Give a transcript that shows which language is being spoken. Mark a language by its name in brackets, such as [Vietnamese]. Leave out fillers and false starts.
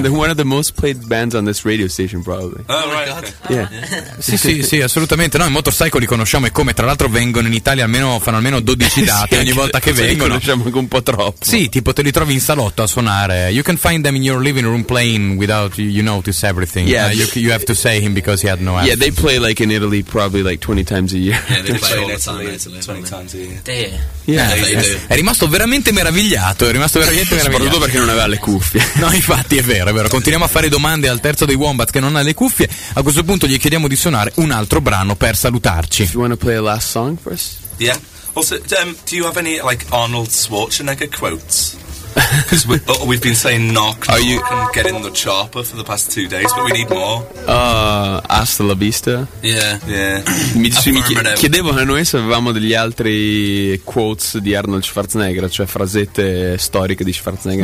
[English] They're one of the most played bands on this radio station, probably. Oh, right. Yeah. [Italian] Sì, assolutamente. No, i Motorcycle li conosciamo. E come, tra l'altro, vengono in Italia almeno, fanno almeno 12 date ogni volta che vengono. Li conosciamo anche un po' troppo. Sì, tipo, te li trovi in salotto a suonare. [English] You can find them in your living room playing. Without you notice everything. Yeah, you have to say him because he had no. Yeah, accent. They play like in Italy probably like 20 times a year. Yeah, they play all the time. Italy, 20 times a year. They. Yeah. [Italian] È rimasto veramente meravigliato. È rimasto veramente meravigliato. Soprattutto perché non aveva le cuffie. No, infatti è vero. Continuiamo a fare domande al terzo dei Wombats che non ha le cuffie. A questo punto gli chiediamo di suonare un altro brano per salutarci. [English] If you want to play a last song for us? Yeah. Also, do you have any like Arnold Schwarzenegger quotes? Because we've been saying knock you and get in the chopper for the past 2 days, but we need more. [Spanish] Hasta la vista. [English] Yeah, yeah. [Italian] Mi chiedevano a noi se avevamo degli altri quotes di Arnold Schwarzenegger, cioè frasette storiche di Schwarzenegger.